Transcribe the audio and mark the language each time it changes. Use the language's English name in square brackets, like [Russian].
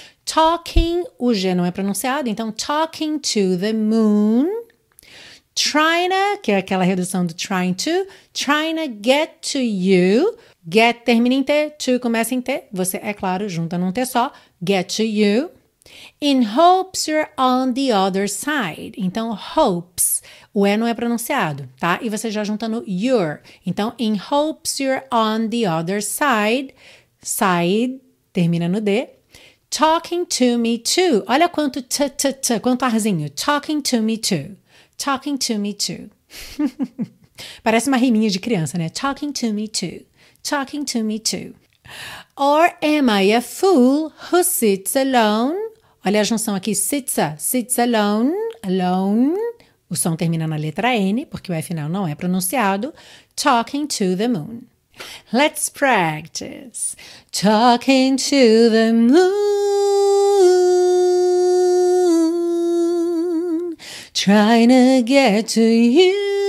[Portuguese] Talking, o G não é pronunciado, então [English] talking to the moon. [Portuguese] Trying, que é aquela redução do [English] trying to get to you. [Portuguese] Get termina em T, to começa em T. Você, é claro, junta num T só. [English] Get to you. In hopes you're on the other side. [Portuguese] Então, hopes. O E não é pronunciado, tá? E você já juntando your. Então, [English] in hopes you're on the other side. Side, [Portuguese] termina no D. [English] Talking to me too. [Portuguese] Olha quanto t, t, t, quanto arzinho. [English] Talking to me too. Talking to me too. [Portuguese] Parece uma riminha de criança, né? [English] Talking to me too. Talking to me too. Or am I a fool who sits alone? [Portuguese] Olha a junção aqui, sitsa, [English] sits alone, alone. [Portuguese] O som termina na letra N, porque o F final não é pronunciado. [English] Talking to the moon. Let's practice. Talking to the moon, trying to get to you.